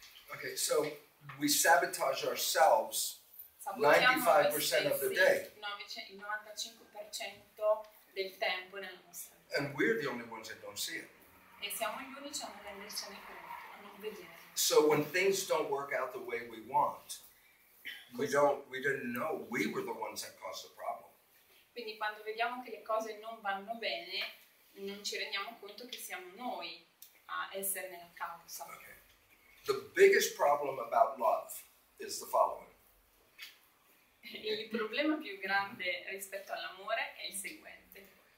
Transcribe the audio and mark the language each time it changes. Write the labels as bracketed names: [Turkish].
[English] Okay, so we sabotage ourselves 95% of the day. [Italian] 95% del tempo nella nostra vita. [English] And we're the only ones that don't see it. [Italian] E siamo gli unici a non rendercene conto, a non vedere. [English] So when things don't work out the way we want, we didn't know we were the ones that caused the problem. [Italian] Quindi quando vediamo che le cose non vanno bene, non ci rendiamo conto che siamo noi a esserne la causa. [English] Okay. The biggest problem about love is the following. [Italian] Il problema più grande rispetto all'amore è il seguente.